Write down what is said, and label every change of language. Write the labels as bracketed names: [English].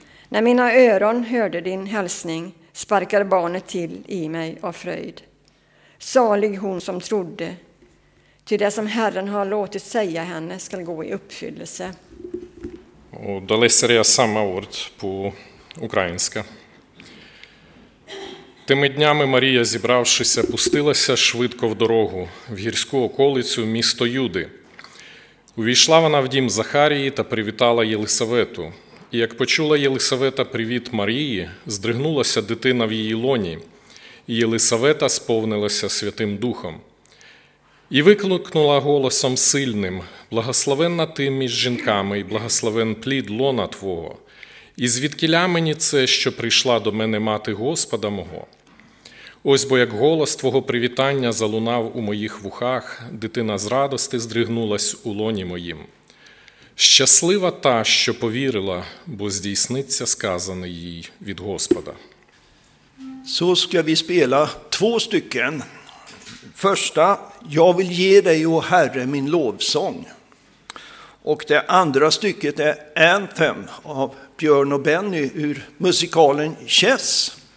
[Swedish] När mina öron hörde din hälsning sparkade barnet till i mig av fröjd. Salig hon som trodde, till det som Herren har låtit säga henne ska gå i uppfyllelse. Och då läser jag samma ord på ukrainska. [Ukrainian] Тими днями Марія, зібравшися, пустилася швидко в дорогу, в гірську околицю місто Юди. Увійшла вона в дім Захарії та привітала Єлисавету. І як почула Єлисавета привіт Марії, здригнулася дитина в її лоні, і Єлисавета сповнилася Святим Духом. І викликнула голосом сильним: «Благословенна ти між жінками, і благословен плід лона твого. І звідкіля мені це, що прийшла до мене мати Господа мого? Ось бо як голос твого привітання залунав у моїх вухах, дитина з радости здригнулась у лоні моїм. Щаслива та, що повірила, бо здійсниться сказане їй від Господа». [Swedish] Så ska vi spela två stycken. Första, jag vill ge dig, o Herre, min lovsång. Och det andra stycket är Anthem av Björn och Benny ur musikalen Chess.